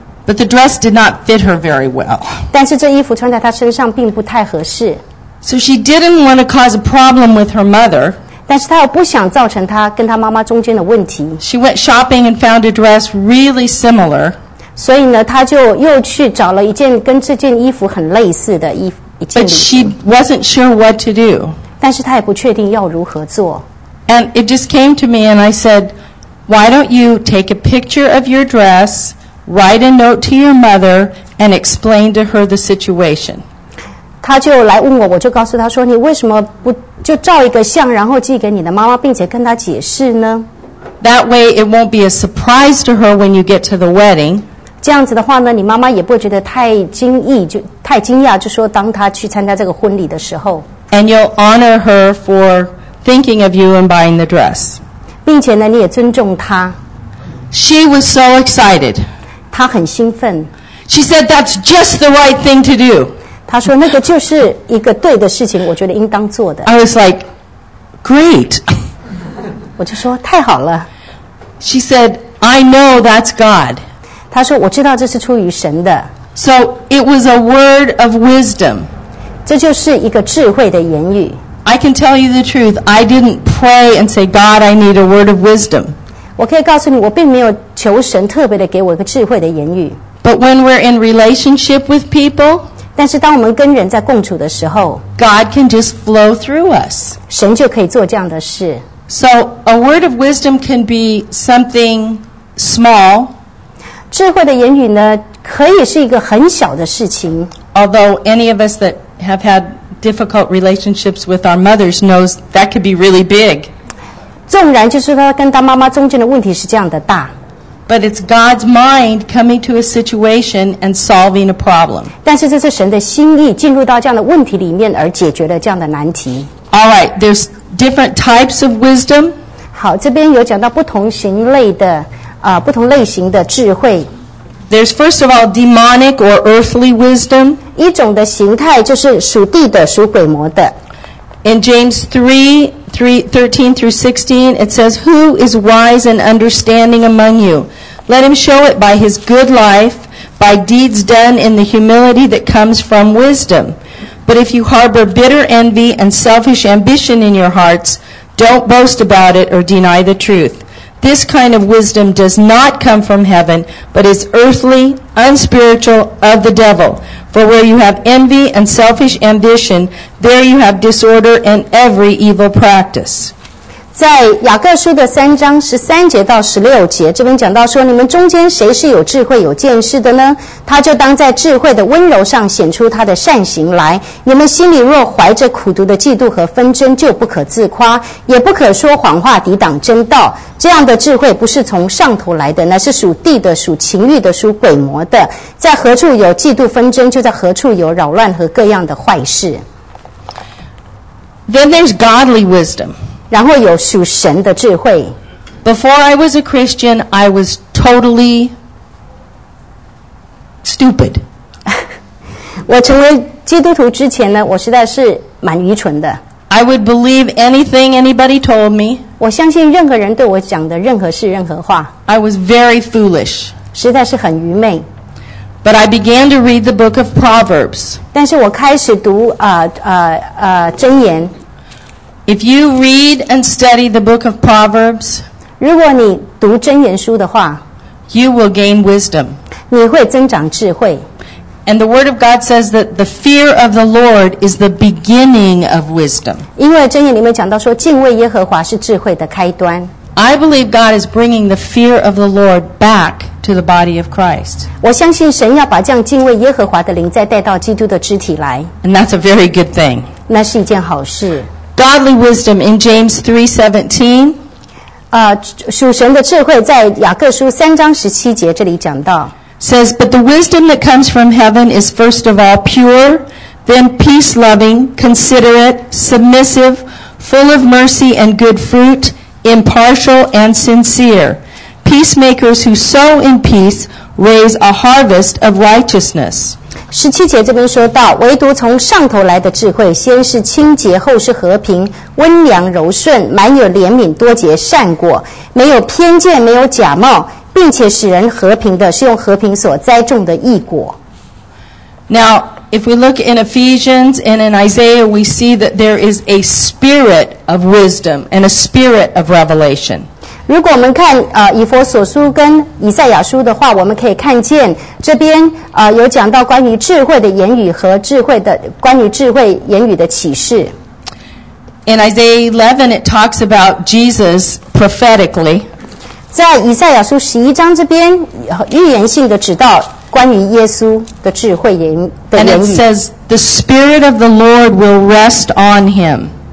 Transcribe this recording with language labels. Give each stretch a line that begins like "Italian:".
English: But the dress did not fit her very well.
Chinese: 但是这衣服穿在她身上并不太合适。
English: So she didn't want to cause a problem with her mother.
Chinese: 但是她又不想造成她跟她妈妈中间的问题。
English: She went shopping and found a dress really similar.
Chinese: 所以呢，她就又去找了一件跟这件衣服很类似的衣服。
English: But she wasn't sure what to do.
Chinese: 但是她也不确定要如何做。
English: And it just came to me, and I said, "Why don't you take a picture of your dress, write a note to your mother, and explain to her the situation?"
Chinese: 她就来问我，我就告诉她说，你为什么不就照一个相，然后寄给你的妈妈，并且跟她解释呢？
English: That way, it won't be a surprise to her when you get to the wedding.
Chinese: 这样子的话呢，你妈妈也不会觉得太惊异，就太惊讶，就说当她去参加这个婚礼的时候。
English: And you'll honor her for thinking of you and buying the dress.
Chinese: 并且呢，你也尊重她。
English: She was so excited.
Chinese: 她很兴奋。
English: She said that's just the right thing to do.
Chinese: 她说那个就是一个对的事情，我觉得应当做的。
English: I was like, great.
Chinese: 我就说太好了。
English: She said, I know that's God.
Chinese: 他说我知道这是出于神的。
English: So it was a word of wisdom.
Chinese: 这就是一个智慧的言语。
English: I can tell you the truth. I didn't pray and say, God, I need a word of wisdom.
Chinese: 我可以告诉你，我并没有求神特别的给我一个智慧的言语。
English: But when we're in relationship with people,
Chinese: 但是当我们跟人在共处的时候，
English: God can just flow through us.
Chinese: 神就可以做这样的事。
English: So a word of wisdom can be something small.
Chinese: 智慧的言语呢，可以是一个很小的事情。
English: Although any of us that have had difficult relationships with our mothers knows that could be really big.
Chinese: 纵然就是他跟他妈妈中间的问题是这样的大。
English: But it's God's mind coming to a situation and solving a problem.
Chinese: 但是这是神的心意进入到这样的问题里面而解决了这样的难题。
English: All right, there's different types of wisdom.
Chinese: 好，这边有讲到不同型类的。不同类型的智慧。
English: There's first of all demonic or earthly wisdom.
Chinese: 一种的形态就是属地的、属鬼魔的。
English: In James 3:13-16, it says, "Who is wise and understanding among you? Let him show it by his good life, by deeds done in the humility that comes from wisdom. But if you harbor bitter envy and selfish ambition in your hearts, don't boast about it or deny the truth." This kind of wisdom does not come from heaven, but is earthly, unspiritual, of the devil. For where you have envy and selfish ambition, there you have disorder and every evil practice.
Chinese: 在雅各书的三章十三节到十六节，这边讲到说，你们中间谁是有智慧、有见识的呢？他就当在智慧的温柔上显出他的善行来。你们心里若怀着苦毒的嫉妒和纷争，就不可自夸，也不可说谎话抵挡真道。这样的智慧不是从上头来的，乃是属地的、属情欲的、属鬼魔的。在何处有嫉妒纷争，就在何处有扰乱和各样的坏事。
English: Then there's godly wisdom.
Chinese: 然后有属神的智慧。
English: Before I was a Christian, I was totally stupid.
Chinese: 我成为基督徒之前呢，我实在是蛮愚蠢的。
English: I would believe anything anybody told me.
Chinese: 我相信任何人对我讲的任何事任何话。
English: I was very foolish.
Chinese: 实在是很愚昧。
English: But I began to read the book of Proverbs.
Chinese: 但是我开始读箴言。
English: If you read and study the book of Proverbs,
Chinese: 如果你读箴言书的话，
English: you will gain wisdom.
Chinese: 你会增长智慧。
English: And the word of God says that the fear of the Lord is the beginning of wisdom.
Chinese: 因为箴言里面讲到说，敬畏耶和华是智慧的开端。
English: I believe God is bringing the fear of the Lord back to the body of Christ.
Chinese: 我相信神要把这样敬畏耶和华的灵再带到基督的肢体来。
English: And that's a very good thing.
Chinese: 那是一件好事。
English: Godly wisdom in James 3:17.
Chinese: 属神的智慧在雅各书三章十七节这里讲到。
English: Says, but the wisdom that comes from heaven is first of all pure, then peace-loving, considerate, submissive, full of mercy and good fruit, impartial and sincere. Peacemakers who sow in peace raise a harvest of righteousness.
Chinese: 十七节这边说到，唯独从上头来的智慧，先是清洁，后是和平，温良柔顺，满有怜悯，多结善果，没有偏见，没有假冒。并且使人和平的，是用和平所栽种的义果。
English: Now, if we look in Ephesians and in Isaiah, we see that there is a spirit of wisdom and a spirit of revelation.
Chinese: 如果我们看以弗所书跟以赛亚书的话，我们可以看见这边有讲到关于智慧的言语和智慧的关于智慧言语的启示。
English: In Isaiah 11, it talks about Jesus prophetically.
Chinese: 在以赛亚书十一章这边，预言性的指导关于耶稣的智慧言的言语。
English: And it says the spirit of the Lord will rest on him.